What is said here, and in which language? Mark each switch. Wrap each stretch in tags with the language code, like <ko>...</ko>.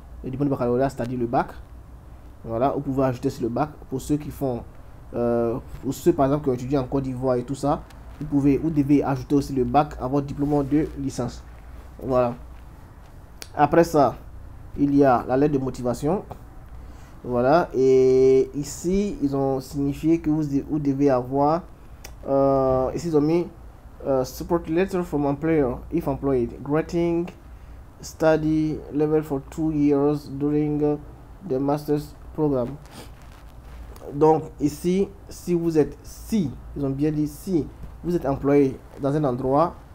<fr>Le diplôme de baccalauréat, c'est-à-dire le bac. Voilà, vous pouvez ajouter sur le bac pour ceux qui font, pour ceux par exemple qui ont étudié en Côte d'Ivoire et tout ça, vous devez ajouter aussi le bac à votre diplôme de licence. Voilà. Après ça, il y a la lettre de motivation. Voilà. Et ici, ils ont signifié que vous devez avoir. Ici, ils ont mis</fr> <en>support letter from employer if employed. Granting study level for 2 years during the master's program.</en> <fr>Donc, ici, si vous êtes. Si, ils ont bien dit si vous êtes employé dans un endroit.</fr>